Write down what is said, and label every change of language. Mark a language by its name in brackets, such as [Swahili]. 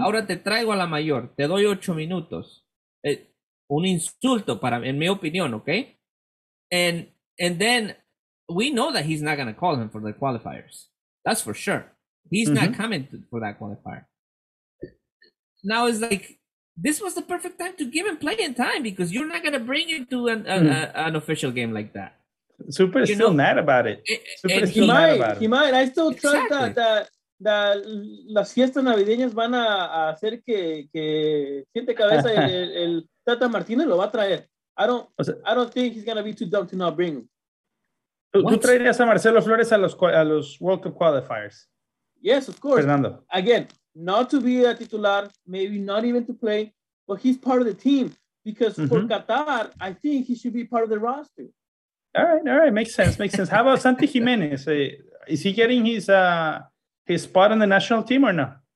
[Spanish] Ahora te traigo a la mayor, te doy 8 minutos. Un insulto para mí, en mi opinión, okay? [English] And then... We know that he's not going to call him for the qualifiers. That's for sure. He's not coming for that qualifier. Now it's like, this was the perfect time to give him playing time, because you're not going to bring him to an official game like that. Super, you still know? Mad about it. He might. I still trust that [Spanish] las fiestas navideñas van a hacer que siente cabeza el Tata Martino lo va a traer. [English] I don't think he's going to be too dumb to not bring him. [Spanish] ¿Tú traerías a Marcelo Flores a los [English] World Cup qualifiers? Yes, of course. Fernando. Again, not to be a titular, maybe not even to play, but he's part of the team. Because for Qatar, I think he should be part of the roster. All right. Makes sense. How about Santi Jimenez? Is he getting his spot on the national team or no?